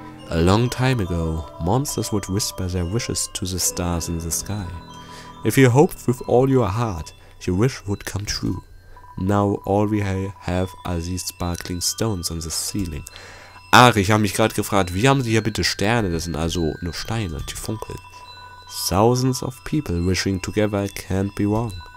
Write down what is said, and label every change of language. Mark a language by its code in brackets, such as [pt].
[en] A long time ago, monsters would whisper their wishes to the stars in the sky. If you hoped with all your heart, your wish would come true. Now all we have are these sparkling stones on the ceiling. [de] Ach, ich habe mich gerade gefragt, wie haben sie hier bitte Sterne? Das sind also nur Steine, die funkeln. [en] Thousands of people wishing together can't be wrong.